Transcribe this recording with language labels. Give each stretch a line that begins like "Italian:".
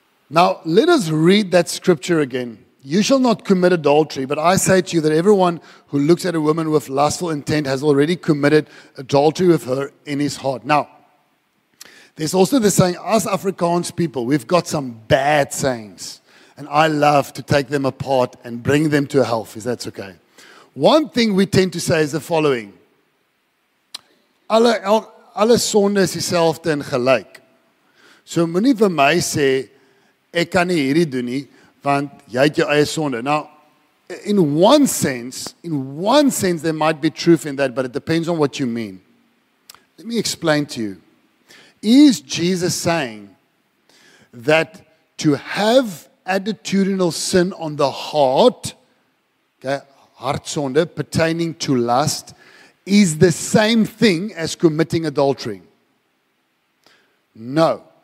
English: Now, let us read that scripture again. You shall not commit adultery, but I say to you that everyone who looks at a woman with lustful intent has already committed adultery with her in his heart. Now, there's also the saying, us Afrikaans people, we've got some bad sayings. And I love to take them apart and bring them to health, if that's okay. One thing we tend to say is the following.
Afrikaans: Alle sonde is dieselfde en gelyk. So moenie vir my sê, ek kan nie hierdie doen nie, want jy het jou eie sonde.
English: Now, in one sense, there might be truth in that, but it depends on what you mean. Let me explain to you. Is Jesus saying that to have attitudinal sin on the heart, okay, hartzonde, pertaining to lust, is the same thing as committing adultery? No.